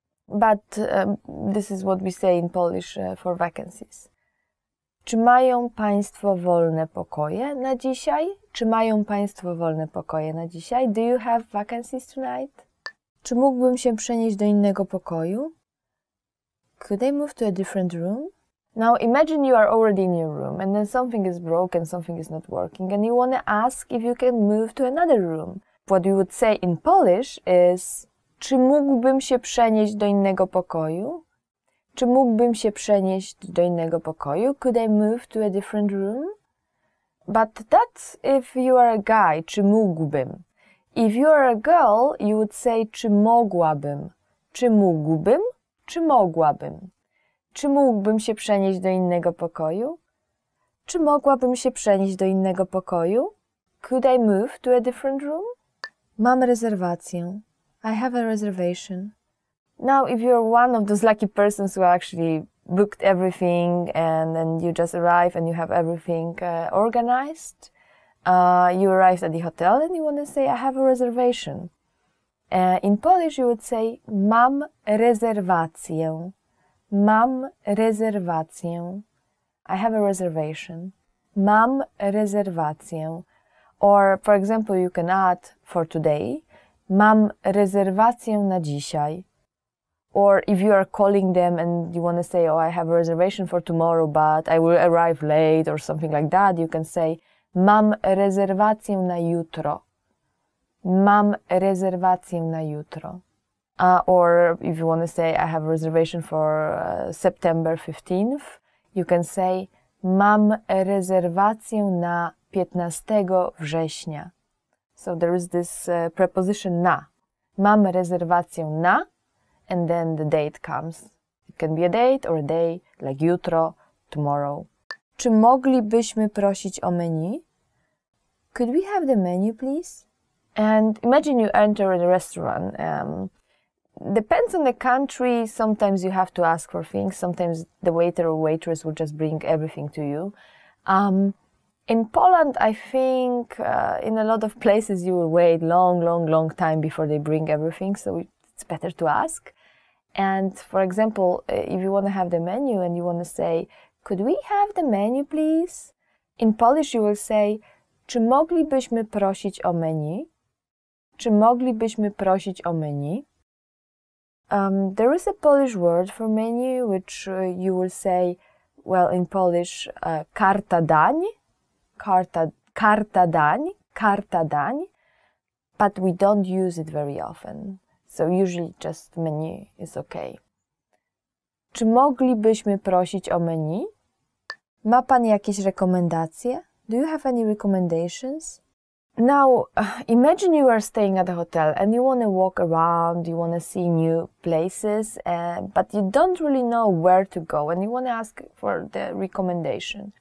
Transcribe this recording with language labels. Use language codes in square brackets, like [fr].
[en] But this is what we say in Polish for vacancies. [pl] Czy mają Państwo wolne pokoje na dzisiaj? Czy mają Państwo wolne pokoje na dzisiaj? [en] Do you have vacancies tonight? [pl] Czy mógłbym się przenieść do innego pokoju? [en] Could I move to a different room? Now imagine you are already in your room and then something is broken, something is not working and you want to ask if you can move to another room. What you would say in Polish is... [pl] Czy mógłbym się przenieść do innego pokoju? Czy mógłbym się przenieść do innego pokoju? [en] Could I move to a different room? But that's if you are a guy, [pl] czy mógłbym. [en] If you are a girl, you would say, [pl] czy mogłabym. Czy mógłbym? Czy mogłabym? Czy mógłbym się przenieść do innego pokoju? Czy mogłabym się przenieść do innego pokoju? [en] Could I move to a different room? [pl] Mam rezerwację. [en] I have a reservation. Now, if you're one of those lucky persons who actually booked everything and then you just arrive and you have everything organized, you arrive at the hotel and you want to say, I have a reservation. In Polish, you would say, [pl] mam rezerwację. Mam rezerwację. [en] I have a reservation. [pl] Mam rezerwację. [en] Or, for example, you can add for today. [pl] Mam rezerwację na dzisiaj. [en] Or if you are calling them and you want to say, oh, I have a reservation for tomorrow, but I will arrive late or something like that, you can say, [pl] mam rezerwację na jutro. Mam rezerwację na jutro. [en] Or if you want to say, I have a reservation for September 15th, you can say, [pl] mam rezerwację na 15 września. [en] So there is this preposition na. [pl] Mam rezerwację na, [en] and then the date comes. It can be a date or a day, like jutro, tomorrow. [pl] Czy moglibyśmy prosić o menu? [en] Could we have the menu, please? And imagine you enter a restaurant. Depends on the country, sometimes you have to ask for things. Sometimes the waiter or waitress will just bring everything to you. In Poland, I think in a lot of places you will wait long time before they bring everything, so it's better to ask. And for example, if you want to have the menu and you want to say, could we have the menu, please? In Polish, you will say, [pl] czy moglibyśmy prosić o menu? Czy moglibyśmy prosić o menu? [en] There is a Polish word for menu, which you will say, well, in Polish, [pl] karta dań. Karta dań. [en] But we don't use it very often. So usually just menu is okay. [pl] Czy moglibyśmy prosić o menu? Ma pan jakieś rekomendacje? [en] Do you have any recommendations? Now, imagine you are staying at a hotel and you want to walk around, you want to see new places, but you don't really know where to go and you want to ask for the recommendation.